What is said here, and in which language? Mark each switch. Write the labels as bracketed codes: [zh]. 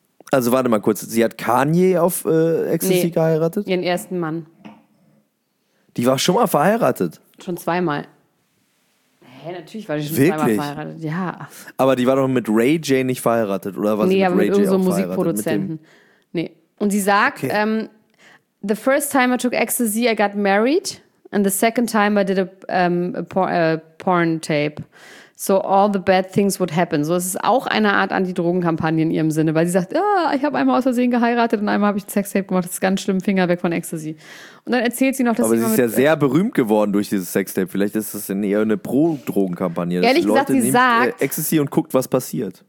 [de] Also warte mal kurz, sie hat Kanye auf Ecstasy geheiratet? Ihren ersten Mann. Die war schon mal verheiratet? Schon zweimal. Hä, natürlich war die schon zweimal verheiratet. Ja. Aber die war doch mit Ray J nicht verheiratet, oder war sie mit Ray J auch verheiratet? Musikproduzenten. Nee. Und sie sagt, okay. [en] The first time I took Ecstasy, I got married. And the second time I did a porn tape. So all the bad things would happen. [de] So, es ist auch eine Art Anti-Drogen-Kampagne in ihrem Sinne, weil sie sagt, oh, ich habe einmal aus Versehen geheiratet und einmal habe ich ein Sextape gemacht. Das ist ganz schlimm, Finger weg von Ecstasy. Und dann erzählt sie noch, dass aber sie ist ja sehr berühmt geworden durch dieses Sextape. Vielleicht ist das eher eine Pro-Drogen-Kampagne. Ehrlich gesagt, Leute, sie nehmen, sagt... Ecstasy und guckt, was passiert.